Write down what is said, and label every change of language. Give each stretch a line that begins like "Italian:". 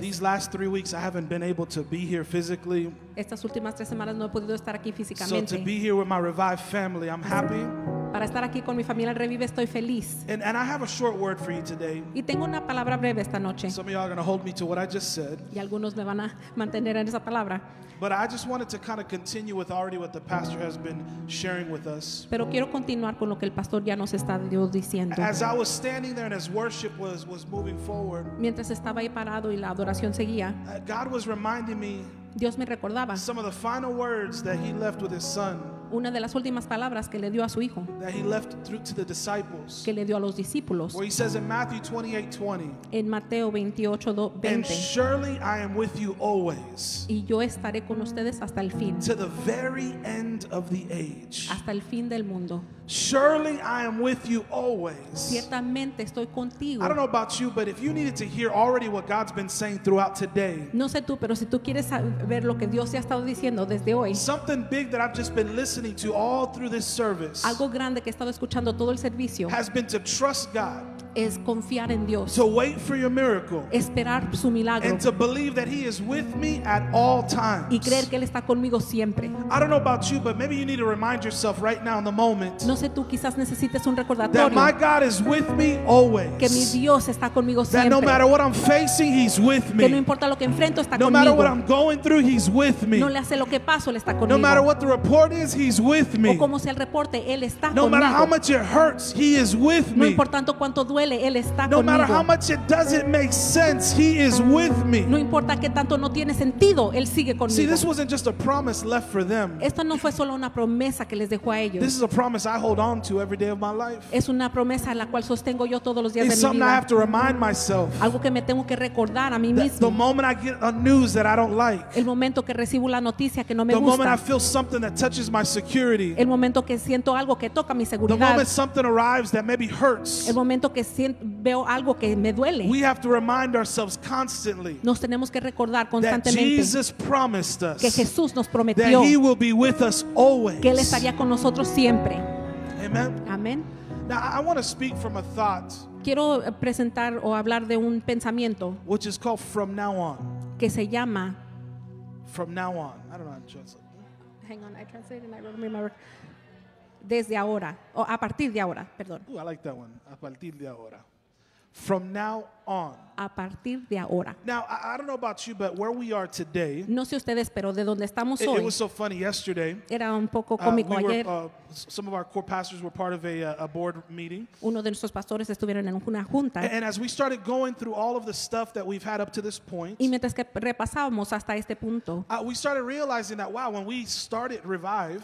English: These last 3 weeks I haven't been able to be here physically.
Spanish: Estas últimas tres semanas no he podido estar aquí físicamente.
English: So to be here with my revived family, I'm happy.
Spanish: Para estar aquí con mi familia Revive, estoy feliz.
English: And I have a short word for you today.
Spanish: Y tengo una palabra breve esta noche.
English: Some of y'all are going to hold me to what I just said.
Spanish: Y algunos me van a mantener en esa palabra.
English: But I just wanted to kind of continue with already what the pastor has been sharing with us.
Spanish: Pero quiero continuar con lo que el pastor ya nos está Dios diciendo.
English: As I was standing there and as worship was moving forward.
Spanish: Mientras estaba ahí parado y la adoración seguía.
English: God was reminding me.
Spanish: Dios me recordaba.
English: Some of the final words that he left with his son.
Spanish: Una de las últimas palabras que le dio a su hijo.
English: That he left through to the disciples.
Spanish: Que le dio a los discípulos.
English: Where he says in Matthew 28:20.
Spanish: En Mateo 28:20.
English: And surely I am with you always.
Spanish: Y yo estaré con ustedes hasta el fin.
English: To the very end of the age.
Spanish: Hasta el fin del mundo.
English: Surely I am with you always.
Spanish: Ciertamente estoy contigo.
English: I don't know about you, but if you needed to hear already what God's been saying throughout today.
Spanish: No sé tú, pero si tú quieres ver lo que Dios ha estado diciendo desde hoy.
English: Something big that I've just been listening to all through this service.
Spanish: Algo grande que he estado escuchando todo el servicio.
English: Has been to trust God.
Spanish: Es confiar en Dios.
English: To wait for your miracle.
Spanish: Esperar su milagro.
English: And to believe that he is with me at all times.
Spanish: Y creer que él está conmigo siempre.
English: I don't know about you, but maybe you need to remind yourself right now in the moment.
Spanish: No sé tú, quizás necesites un recordatorio.
English: That my God is with me always.
Spanish: Que mi Dios está conmigo siempre.
English: That no matter what I'm facing, he's with me.
Spanish: Que no importa lo que enfrento, está no
English: No matter what I'm going through, he's with me.
Spanish: No le hace lo que paso, él está conmigo.
English: No matter what the report is, he's with me.
Spanish: O como sea el reporte, él está no conmigo.
English: No matter how much it hurts, he is with me.
Spanish: No importa tanto cuánto duele. Él está no conmigo.
English: Matter how much it doesn't make sense, he is with me.
Spanish: No importa que tanto no tiene sentido, él sigue conmigo.
English: See, this wasn't just a promise left for them.
Spanish: Esto no fue solo una promesa que les dejó a ellos.
English: This is a promise I hold on to every day of my life.
Spanish: Es una promesa a la cual sostengo yo todos los días it's de mi vida.
English: Something I have to remind myself.
Spanish: Algo que me tengo que recordar a mí mismo.
English: The moment I get a news that I don't like.
Spanish: El momento que recibo la noticia que no me the gusta.
English: The moment I feel something that touches my security.
Spanish: El momento que siento algo que toca mi seguridad.
English: The moment something arrives that maybe hurts.
Spanish: El momento que veo algo que me duele.
English: We have to remind ourselves constantly.
Spanish: Nos tenemos que recordar constantemente.
English: That Jesus promised us.
Spanish: Que Jesús nos prometió.
English: That he will be with us always.
Spanish: Que él estaría con nosotros siempre.
English: Amen. Amen. Now I want to speak from a thought.
Spanish: Quiero presentar o hablar de un pensamiento.
English: Which is called from now on.
Spanish: Que se llama
English: from now on. I don't know how to translate. Hang on, I can't say it and I don't remember.
Spanish: Desde ahora, o a partir de ahora, perdón.
English: Ooh, I like that one,
Spanish: a partir de ahora.
English: From now on.
Spanish: A partir de ahora.
English: Now, I don't know about you, but where we are today.
Spanish: No sé ustedes, pero de donde estamos it, hoy.
English: It was so funny yesterday.
Spanish: Era un poco cómico ayer.
English: Some of our core pastors were part of a board meeting.
Spanish: Uno de nuestros pastores estuvieron en una junta.
English: And as we started going through all of the stuff that we've had up to this point.
Spanish: Y mientras que repasábamos hasta este punto.
English: We started realizing that, wow, when we started Revive.